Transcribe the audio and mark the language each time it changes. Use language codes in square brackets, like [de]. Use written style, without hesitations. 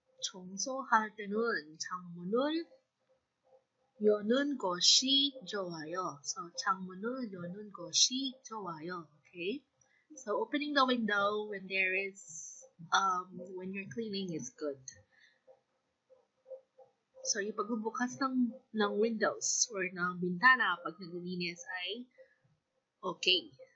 [ko] 청소할 때는 창문을 여는 것이 좋아요. So 창문을 여는 것이 좋아요. [en] Okay, so opening the window when there is, when you're cleaning is good. [tl] So, yung pagbubukas ng windows or ng bintana pag naglilinis ay okay.